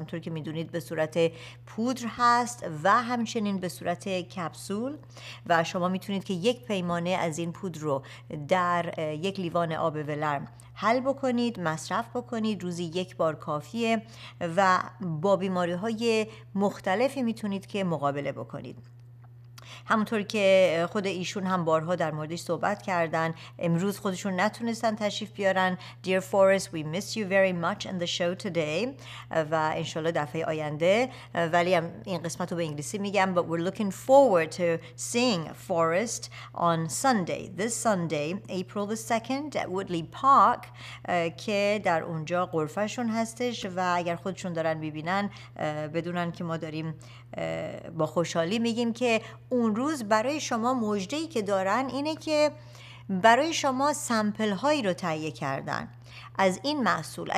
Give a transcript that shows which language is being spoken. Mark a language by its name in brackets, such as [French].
[Persian] همطور که میدونید به صورت پودر هست و همچنین به صورت کپسول و شما میتونید که یک پیمانه از این پودر رو در یک لیوان آب ولرم حل بکنید، مصرف بکنید، روزی یک بار کافیه و با بیماری های مختلفی میتونید که مقابله بکنید. همونطور که خود ایشون هم بارها در موردش صحبت کردن، امروز خودشون نتونستن تشریف بیارن. [English] Dear Forest, we miss you very much in the show today. [Persian] و انشالله دفعه آینده، ولی هم این قسمت رو به انگلیسی میگم، [English] but we're looking forward to seeing Forest on Sunday, this Sunday, April the 2nd at Woodley Park [Persian] که در اونجا غرفه شون هستش و اگر خودشون دارن میبینن بدونن که ما داریم با خوشحالی میگیم که اون روز برای شما مژده‌ای که دارن اینه که برای شما سمپل هایی رو تهیه کردن از این محصول.